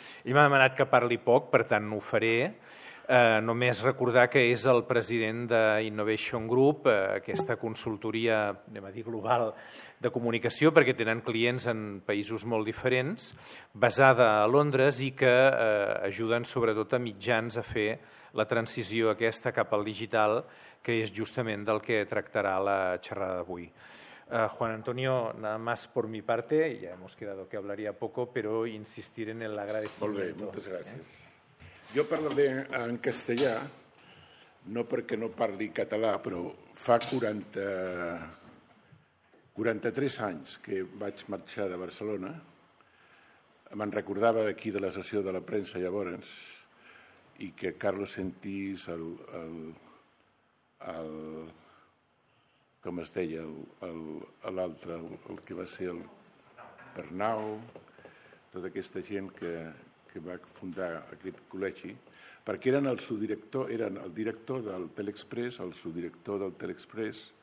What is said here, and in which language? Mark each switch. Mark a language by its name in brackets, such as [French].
[Catalan] Ell m'ha demanat que parli poc, per tant ho faré. Només recordar que és el president d'Innovation Group, aquesta consultoria, anem a dir, global de comunicació, perquè tenen clients en països molt diferents, basada a Londres i que ajuden sobretot a mitjans a fer la transició aquesta cap al digital, que és justament del que tractarà la xerrada d'avui. [Spanish] Juan Antonio, nada más por mi parte, ya hemos quedado que hablaría poco, pero insistir en el agradecimiento. [Catalan] Molt bé, moltes gràcies. Jo parlaré en castellà, no perquè no parli català, però fa 43 anys que vaig marxar de Barcelona. Me'n recordava d'aquí de la sessió de la premsa llavors i que Carlos Sentís, com es deia l'altre, el que va ser el Pernau, tota aquesta gent que va fundar aquest col·legi, perquè eren el subdirector, eren el director del Teleexpress, el subdirector del Teleexpress,